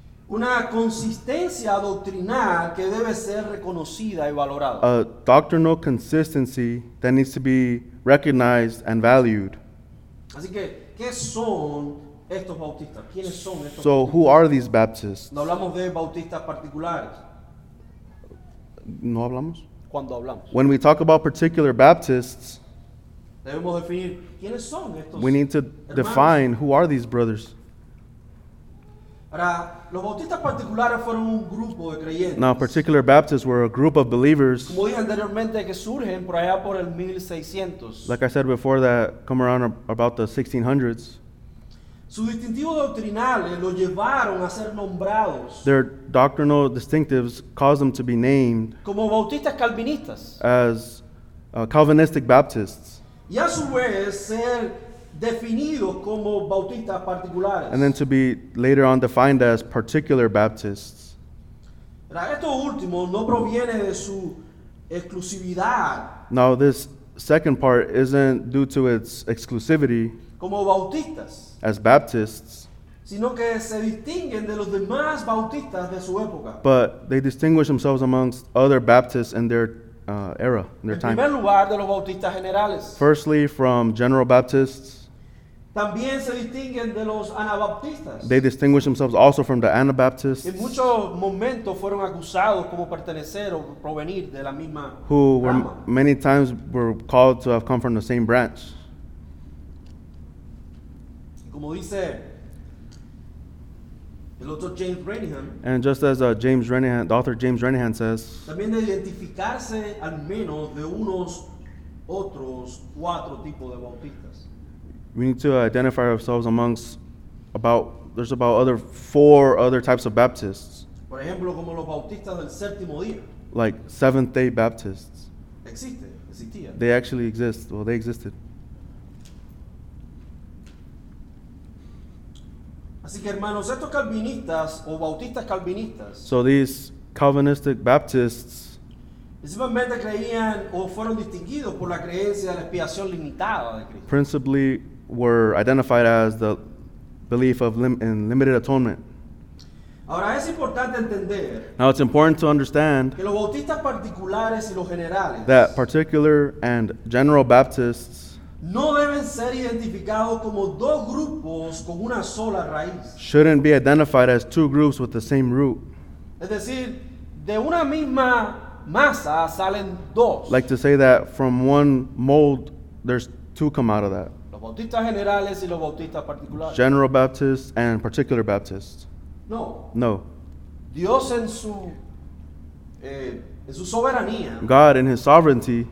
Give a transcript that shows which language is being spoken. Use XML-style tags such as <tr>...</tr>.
<es>Una consistencia doctrinal que debe ser reconocida y valorada.</es> <en>A doctrinal consistency that needs to be recognized and valued.</en> <es>Así que, ¿qué son estos bautistas? ¿Quiénes son estos</es> <en>so So, who are these Baptists?</en> <es>No hablamos de bautistas particulares. ¿No hablamos? Cuando hablamos.</es> <en>When we talk about particular Baptists,</en> <es>debemos definir quiénes son estos.</es> <en>We need to</en> <es>hermanos.</es> <en>Define who are these brothers.</en> <es>Ahora, los bautistas particulares fueron un grupo de creyentes.</es> <en>Now, particular Baptists were a group of believers.</en> <es>Como dije anteriormente, que surgen por allá por el 1600.</es> <en>Like I said before, that come around about the 1600s.</en> <es>Su distintivo doctrinal lo llevaron a ser nombrados.</es> <en>Their doctrinal distinctives caused them to be named</en> <es>como bautistas calvinistas.</es> <en>As Calvinistic Baptists.</en> <es>Y a su vez ser definidos como bautistas particulares.</es> <en>And then to be later on defined as particular Baptists.</en> <es>Esto último no proviene de su exclusividad.</es> <en>Now this second part isn't due to its exclusivity.</en> <es>Como bautistas.</es> <en>As Baptists.</en> <es>Sino que se distinguen de los demás bautistas de su época.</es> <en>But they distinguish themselves amongst other Baptists in their era, in their</en> <es>en</es> <en>time.</en> <es>Primer lugar, de los bautistas generales.</es> <en>Firstly, from general Baptists.</en> <es>También se distinguen de los anabaptistas.</es> <en>They distinguish themselves also from the Anabaptists.</en> <es>En muchos momentos fueron acusados como pertenecer o provenir de la misma</es> <en>who</en> <es>rama.</es> <en>Were many times were called to have come from the same branch.</en> <es>Como dice el otro James Renihan,</es> <en>and just as James Renihan, the author James Renihan says,</en> <es>también de identificarse al menos de unos otros cuatro tipos de bautistas.</es> <en>We need to identify ourselves amongst about there's about other four other types of Baptists.</en> <es>Por ejemplo, como los bautistas del séptimo día.</es> <en>Like Seventh-day Baptists.</en> <es>Existía.</es> <en>They actually exist. Well, they existed.</en> <es>Así que hermanos, estos calvinistas o bautistas calvinistas.</es> <en>So these Calvinistic Baptists.</en> <es>Principalmente creían o fueron distinguidos por la creencia de la expiación limitada de Cristo.</es> <en>Principally were identified as the belief of limited atonement.</en> <es>Ahora, es importante entender</es> <en>now it's important to understand</en> <es>que los bautistas particulares y los generales</es> <en>that particular and general Baptists</en> <es>no deben ser identificados como dos grupos con una sola raíz.</es> <en>Shouldn't be identified as two groups with the same root.</en> <es>Es decir, de una misma masa salen dos.</es> <en>Like to say that from one mold, there's two come out of that.</en> <es>Los bautistas generales y los bautistas particulares.</es> <en>General Baptists and particular Baptists.</en> <es>No.</es> <en>No.</en> <es>Dios en su soberanía.</es> <en>God in his sovereignty.</en>